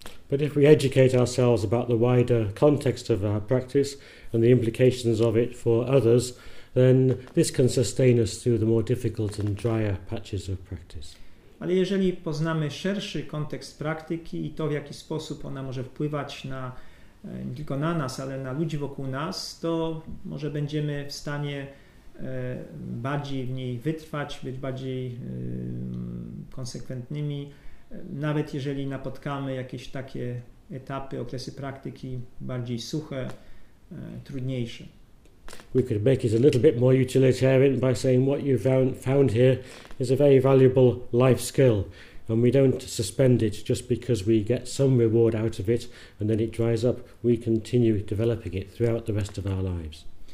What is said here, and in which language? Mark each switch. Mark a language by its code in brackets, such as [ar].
[en] But if we educate ourselves about the wider context of our practice and the implications of it for others, then this can sustain us through the more difficult and drier patches of practice. [pl] Ale jeżeli poznamy szerszy kontekst praktyki i to, w jaki sposób ona może wpływać na, nie tylko na nas, ale na ludzi wokół nas, to może będziemy w stanie bardziej w niej wytrwać, być bardziej konsekwentnymi, nawet jeżeli napotkamy jakieś takie etapy, okresy praktyki bardziej suche, trudniejsze. [en] we could make it a little bit more utilitarian by saying what you've found here is a very valuable life skill, and we don't suspend it just because we get some reward out of it and then it dries up. We continue developing it throughout the rest of our lives.